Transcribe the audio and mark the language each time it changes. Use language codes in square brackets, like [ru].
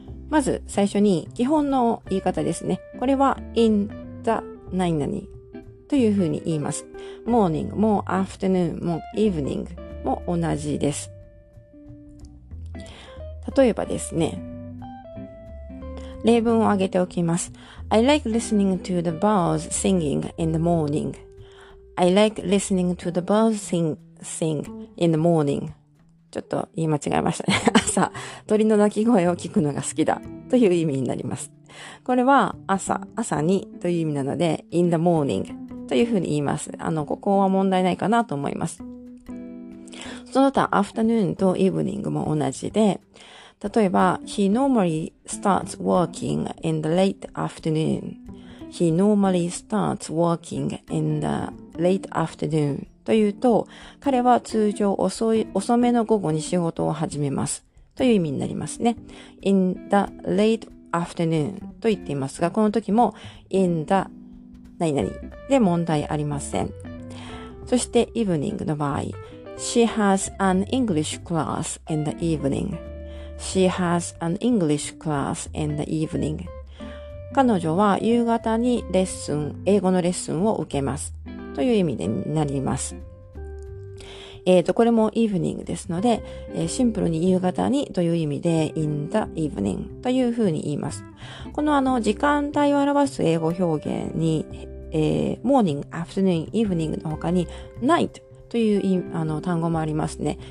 [ja] まず、最初に基本の言い方ですね。これは [en] in the [ja] 何々というふうに言います。 morning も afternoon も evening も同じです。例えばですね、例文を挙げておきます。 [en] I like listening to the birds singing in the morning. I like listening to the birds sing in the morning. [ja] ちょっと言い間違えましたね。朝、鳥の鳴き声を聞くのが好きだという意味になります。これは朝にという意味なので、 [en] in the morning [ja] というふうに言います。ここは問題ないかなと思います。その他、afternoon と evening も同じで、例えば、 [en] He normally starts working in the late afternoon. He normally starts working in the late afternoon. [ja] というと、彼は通常遅めの午後に仕事を始めます。という意味になりますね。 [en] in the late afternoon [ja] と言っていますが、この時も [en] in the [ja] 何々で問題ありません。そして、evening の場合、 [en] She has an English class in the evening. She has an English class in the evening. [ja] 彼女は夕方にレッスン、英語のレッスンを受けます。という意味でなります。これも evening ですので、シンプルに夕方にという意味で [en] in the evening [ja] というふうに言います。この時間帯を表す英語表現に、morning, afternoon, evening の他に night,という単語もありますね。